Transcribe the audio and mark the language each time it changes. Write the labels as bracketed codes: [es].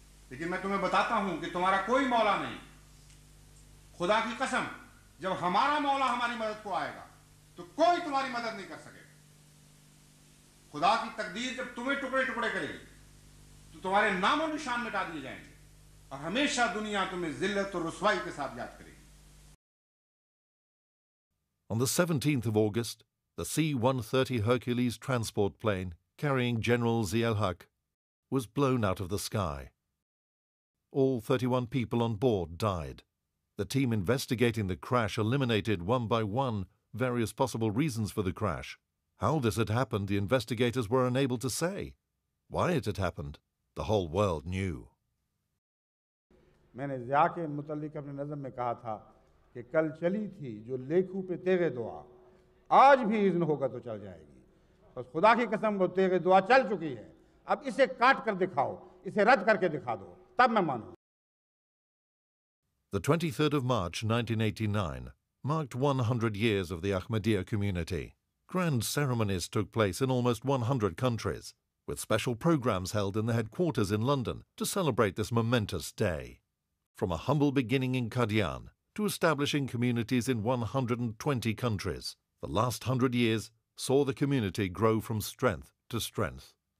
[ur] لیکن میں تمہیں بتاتا ہوں کہ تمہارا کوئی مولا نہیں. خدا کی قسم جب ہمارا مولا ہماری مدد کو آئے گا تو کوئی تمہاری مدد نہیں کر سکے گا. خدا کی تقدیر جب تمہیں ٹکڑے ٹکڑے کرے گی تو تمہارے نام و نشان مٹا دیے جائیں گے اور ہمیشہ دنیا تمہیں ذلت اور رسوائی کے ساتھ یاد کرے گی. [en] On the 17th of August, the C-130 Hercules transport plane carrying General Zielhak was blown out of the sky. All 31 people on board died. The team investigating the crash eliminated one by one various possible reasons for the crash. How this had happened, the investigators were unable to say. Why it had happened, the whole world knew. [ur] میں نے ضیاء کے متعلق اپنی نظم میں کہا تھا کہ کل چلی تھی جو لیکھو پہ تیغے دعا, آج بھی اذن ہوگا تو چل جائے گی. بس خدا کی قسم وہ تیغے دعا چل چکی ہے, اب اسے کاٹ کر دکھاؤ, اسے رد کر کے دکھا دو, تب میں مانوں. [en] The 23rd of March 1989 marked 100 years of the Ahmadiyya community. Grand ceremonies took place in almost 100 countries, with special programs held in the headquarters in London to celebrate this momentous day. From a humble beginning in Qadian to establishing communities in 120 countries, the last 100 years saw the community grow from strength to strength.